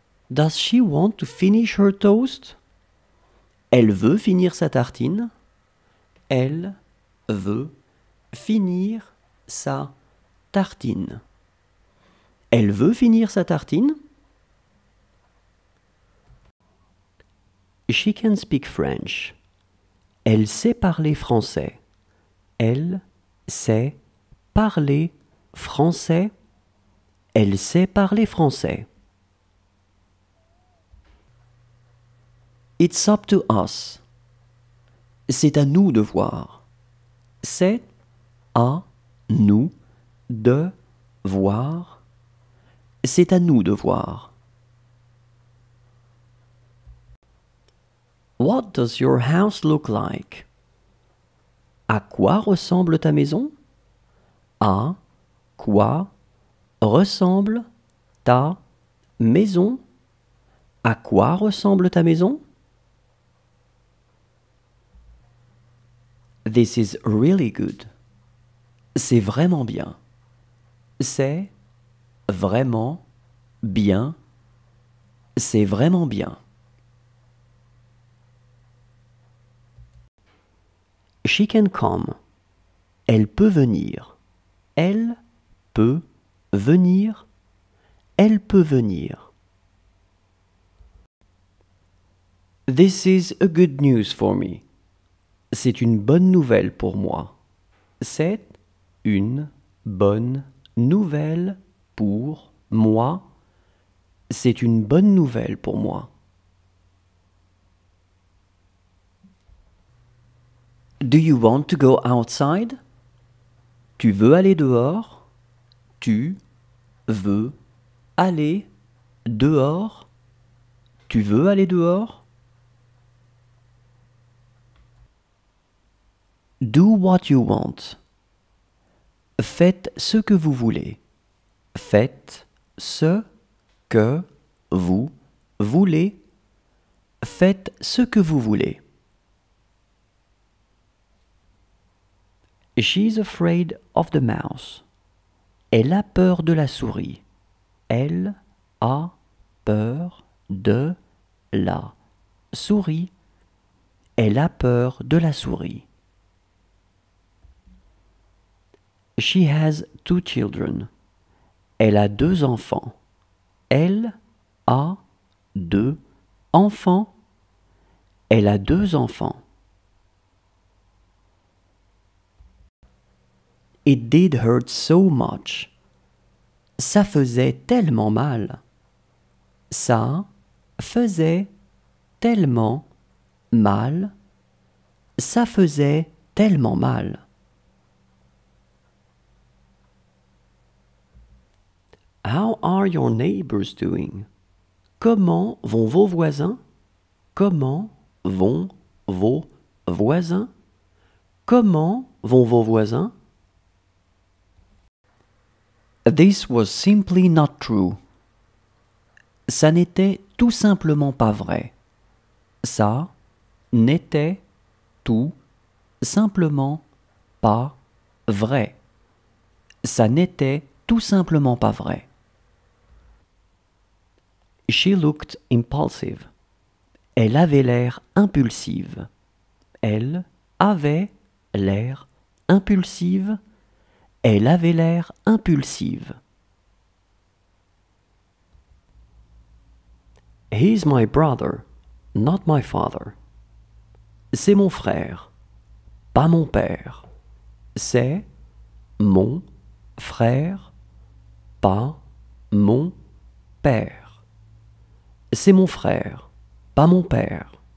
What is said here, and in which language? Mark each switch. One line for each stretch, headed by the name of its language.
English: Does she want to finish her toast?
French: Elle veut finir sa tartine. Elle veut finir sa tartine. Elle veut finir sa tartine.
English: She can speak French.
French: Elle sait parler français. Elle sait parler français. Elle sait parler français.
English: It's up to us.
French: C'est à nous de voir. C'est à nous de voir. C'est à nous de voir.
English: What does your house look like?
French: À quoi ressemble ta maison? À quoi ressemble ta maison? À quoi ressemble ta maison?
English: This is really good.
French: C'est vraiment bien. C'est vraiment bien. C'est vraiment bien.
English: She can come.
French: Elle peut venir. Elle peut venir. Elle peut venir.
English: This is a good news for me.
French: C'est une bonne nouvelle pour moi. C'est une bonne nouvelle pour moi. C'est une bonne nouvelle pour moi.
English: Do you want to go outside?
French: Tu veux aller dehors? Tu veux aller dehors? Tu veux aller dehors?
English: Do what you want.
French: Faites ce que vous voulez. Faites ce que vous voulez. Faites ce que vous voulez.
English: She's afraid of the mouse.
French: Elle a peur de la souris. Elle a peur de la souris. Elle a peur de la souris.
English: She has two children.
French: Elle a deux enfants. Elle a deux enfants. Elle a deux enfants.
English: It did hurt so much.
French: Ça faisait tellement mal. Ça faisait tellement mal. Ça faisait tellement mal.
English: How are your neighbors doing?
French: Comment vont vos voisins? Comment vont vos voisins? Comment vont vos voisins?
English: This was simply not true.
French: Ça n'était tout simplement pas vrai. Ça n'était tout simplement pas vrai. Ça n'était tout simplement pas vrai.
English: She looked impulsive.
French: Elle avait l'air impulsive. Elle avait l'air impulsive. Elle avait l'air impulsive.
English: He's my brother, not my father.
French: C'est mon frère, pas mon père. C'est mon frère, pas mon père. C'est mon frère, pas mon père.